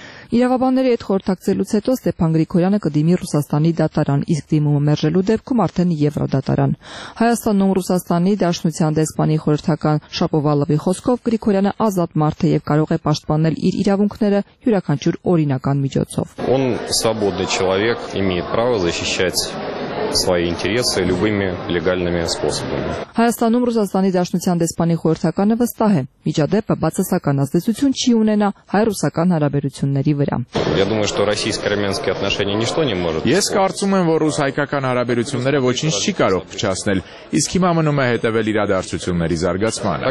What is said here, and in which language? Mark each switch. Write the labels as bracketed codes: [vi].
[hy] Իրավաբանների հետ խորհրդակցելուց հետո Ստեփան Գրիգորյանը կդիմի Ռուսաստանի դատարան, իսկ դիմումը մերժելու դեպքում արդեն Եվրոդատարան։ Հայաստանում Ռուսաստանի Դաշնության դեսպանի խորհրդական Շապովալովի խոսքով Գրիգորյանը ազատ մարդ է եւ կարող է պաշտպանել իր իրավունքները յուրաքանչյուր օրինական միջոցով։ [ru] Он свободный человек, имеет право защищать свои интересы любыми легальными способами. [hy] Հայաստանում Ռուսաստանի Դաշնության դեսպանի խորհրդականը վստահ է, միջադեպը բացասական ազդեցություն չի ունենա հայ-ռուսական հարաբերությունների վրա։ [ru] Я думаю, что российско-армянские отношения ничто не может. [hy] Ես կարծում եմ, որ ռուս-հայկական հարաբերությունները ոչինչ չի կարող փչացնել, իսկ հիմա մնում է հետևել իրադարձությունների զարգացմանը։